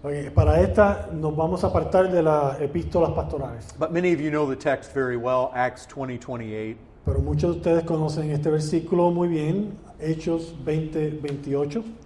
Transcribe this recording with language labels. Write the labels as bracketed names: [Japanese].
[Spanish] Okay, para esta nos vamos a apartar de las epístolas pastorales. [English] But many of you know the text very well, Acts 20:28. [Spanish] Pero muchos de ustedes conocen este versículo muy bien, Hechos 20:28.